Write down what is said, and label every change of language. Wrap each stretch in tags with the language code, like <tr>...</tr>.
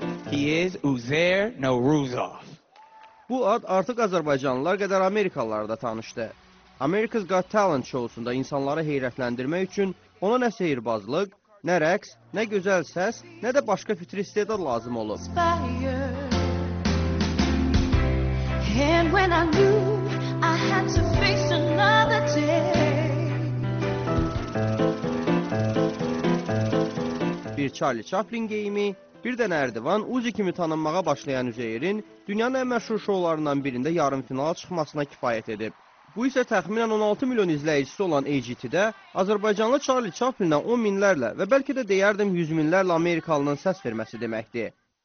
<en>He is Uzair Nowruzov.</en> <az>Bu ad artıq Azərbaycanlılar qədər Amerikalılara da tanışdı. America's Got Talent şousunda insanları heyrətləndirmək üçün ona nə sehirbazlıq, nə rəqs, nə gözəl səs, nə də başqa fitri istedad lazım olub.</az> <en>And when I knew I had to face another day.</en> <az>Bir Charlie Chaplin geyimi, bir də Nərdivan Uzi kimi tanınmağa başlayan Üzeyrin dünyanın ən məşhur şoularından birində yarım finala çıxmasına kifayət edib. Bu isə təxminən 16 milyon izləyicisi olan AGT-də Azərbaycanlı Charlie Chaplin-ə 10 minlərlə və bəlkə də deyərdim 100 minlərlə Amerikalının səs verməsi deməkdir.</az>